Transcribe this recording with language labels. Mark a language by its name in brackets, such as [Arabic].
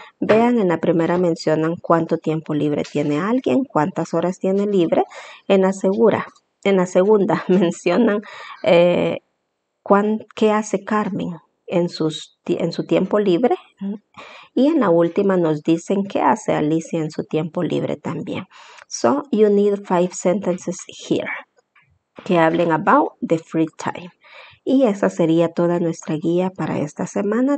[Spanish] Vean, en la primera mencionan cuánto tiempo libre tiene alguien, cuántas horas tiene libre. En la segunda mencionan qué hace Carmen en su tiempo libre. Y en la última nos dicen qué hace Alicia en su tiempo libre también. [English] So, you need 5 sentences here [Spanish] que hablen [English] about the free time. [Spanish] Y esa sería toda nuestra guía para esta semana.